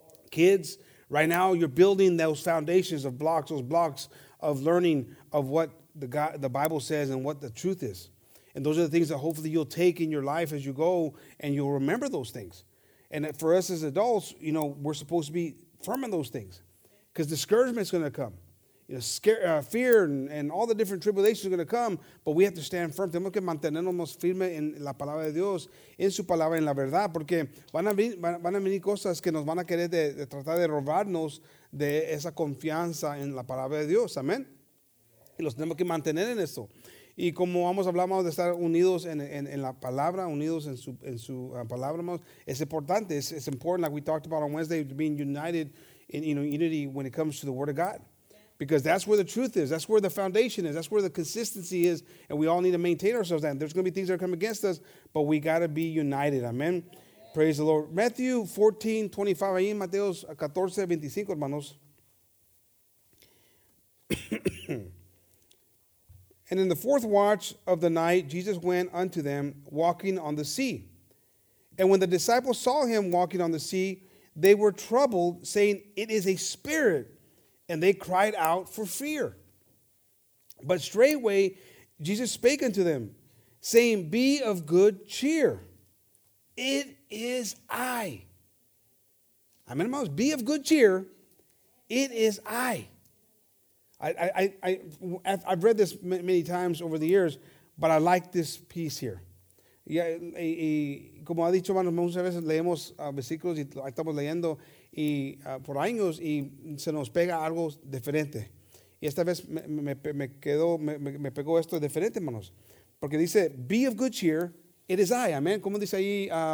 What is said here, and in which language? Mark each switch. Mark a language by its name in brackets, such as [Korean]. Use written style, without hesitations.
[English] Kids, right now you're building those foundations of blocks, those blocks of learning of what the Bible says and what the truth is. And those are the things that hopefully you'll take in your life as you go, and you'll remember those things. And for us as adults, you know, we're supposed to be firm in those things, because discouragement is going to come. You know, fear and all the different tribulations are going to come, but we have to stand firm. [Spanish] Tenemos que mantenernos firme en la palabra de Dios, en su palabra, en la verdad, porque van a venir cosas que nos van a querer de tratar de robarnos de esa confianza en la palabra de Dios. Amén. Y los tenemos que mantener en eso. Y como hablamos de estar unidos en la palabra, unidos en su palabra, hermanos, es importante. [English] It's important, like we talked about on Wednesday, being united in unity when it comes to the Word of God. Because that's where the truth is. That's where the foundation is. That's where the consistency is. And we all need to maintain ourselves. And there's going to be things that are coming against us, but we got to be united. Amen. Yeah. Praise the Lord. Matthew 14, 25. [Spanish] Ahí en Mateo 14, 25, hermanos. [English] And in the fourth watch of the night, Jesus went unto them, walking on the sea. And when the disciples saw him walking on the sea, they were troubled, saying, "It is a spirit." And they cried out for fear. But straightway Jesus spake unto them, saying, "Be of good cheer. It is I." Amen, hermanos. Be of good cheer. It is I. I've read this many times over the years, but I like this piece here. [Spanish] Yeah, y como ha dicho, hermanos, muchas veces leemos versículos y estamos leyendo. Y por años y se nos pega algo diferente. Y esta vez me pegó esto diferente, hermanos. Porque dice, [English] be of good cheer, it is I, [Spanish] amén. ¿Cómo dice ahí?